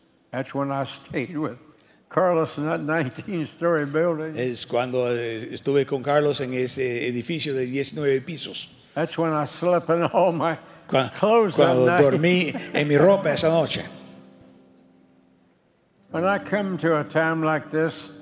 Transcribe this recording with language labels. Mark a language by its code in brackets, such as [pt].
[en] That's when I stayed with Carlos in that 19-story building. [es] Es cuando estuve con Carlos en ese edificio de 19 pisos. [en] That's when I slept in all my clothes that night. [es] Cuando dormí en mi ropa esa noche. [en] When I come to a time like this,